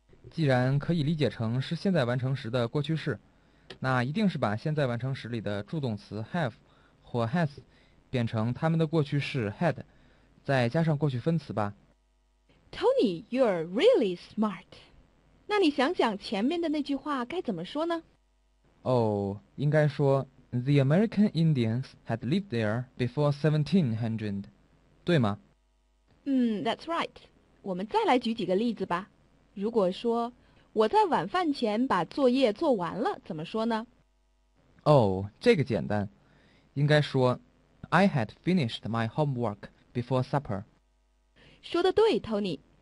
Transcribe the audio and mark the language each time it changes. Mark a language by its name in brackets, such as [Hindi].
[Chinese] 既然可以理解成是现在完成时的过去式，那一定是把现在完成时里的助动词 have 或 has 变成它们的过去式 had，再加上过去分词吧。 [English] Tony, you're really smart. [Chinese] 那你想想前面的那句话该怎么说呢？哦，应该说 [English] The American Indians had lived there before 1700， [Chinese] 对吗？ [English] That's right. [Chinese] 我们再来举几个例子吧。如果说我在晚饭前把作业做完了，怎么说呢？哦，这个简单，应该说， [English] I had finished my homework before supper。 [Chinese] 说的对，Tony。